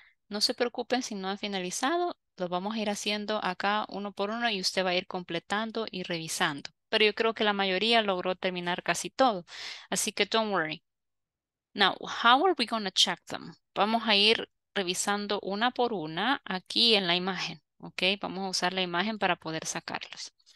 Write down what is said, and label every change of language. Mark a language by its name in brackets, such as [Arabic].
[Spanish] No se preocupen si no han finalizado, lo vamos a ir haciendo acá uno por uno y usted va a ir completando y revisando. Pero yo creo que la mayoría logró terminar casi todo, así que [English] don't worry. Now, how are we going to check them? [Spanish] Vamos a ir revisando una por una aquí en la imagen, ¿ok? Vamos a usar la imagen para poder sacarlos.